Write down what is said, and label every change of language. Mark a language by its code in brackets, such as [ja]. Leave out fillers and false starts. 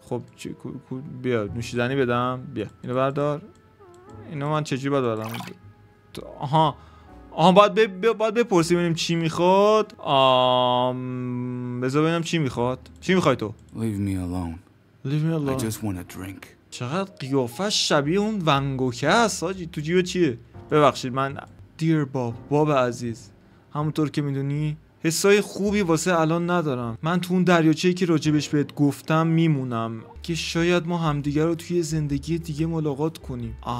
[fa] خب بیا نوشیدنی بدم. بیا اینو بردار. اینو من چجوری باید بدم؟ آها، باید بپرسیم ببینیم چی میخواد. بذار ببینم چی میخواد. چی میخوای تو؟ [en] Leave me alone. I just want a drink. [fa] چقدر قیافه شبیه اون ونگوکه هست آجی. تو جیبه چیه؟ ببخشید من. [en] Dear Bob، [fa] باب عزیز، همونطور که میدونی حسای خوبی واسه الان ندارم. من تو اون دریاچه‌ای که راجبش بهت گفتم میمونم که شاید ما همدیگر رو توی زندگی دیگه ملاقات کنیم.